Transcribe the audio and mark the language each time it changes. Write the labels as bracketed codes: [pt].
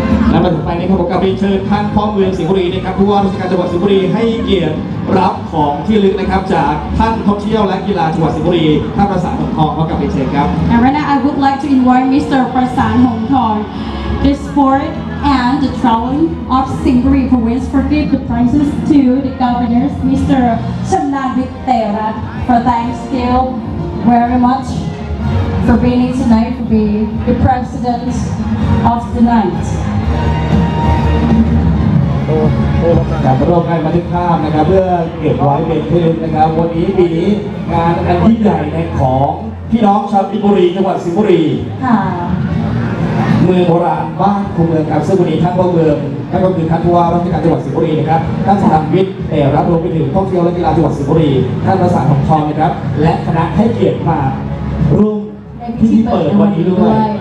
[th] และมาถึงไปนี้ครับผมกับเชิญท่านพร้อมเมืองสิงห์บุรีนะครับผู้ว่าราชการจังหวัดสิงห์บุรีให้เกียรติรับของที่ลึกนะครับจากท่านท่องเที่ยวและกีฬาจังหวัดสิงห์บุรีท่านประสานหงทองมากับเชิญครับ [en] And right now I would like to invite Mr. Prasan Hong Thong the sport and the traveling of Singhburi Province for give the prizes to the governor Mr. Chamlan Vitthera for thanks still very much for being tonight to be the president of the night. [th] จากร่วมงานบันทึกภาพนะครับเพื่อเก็บไว้เป็นที่ระลึกนะครับวันนี้ปีนี้งานอันยิ่งใหญ่ในของพี่น้องชาวสิงห์บุรีจังหวัดสิงห์บุรี ค่ะ เมืองโบราณบ้านคูเมืองครับซึ่งวันนี้ท่านผู้เมืองท่านก็คือท่านผู้ว่าราชการจังหวัดสิงห์บุรีนะครับท่านสุนันท์วิทย์แต่รับรวมไปถึงท่องเที่ยวและกีฬาจังหวัดสิงห์บุรีท่านประสานของทองนะครับและคณะให้เกียรติมาร่วมที่เปิดวันนี้ด้วย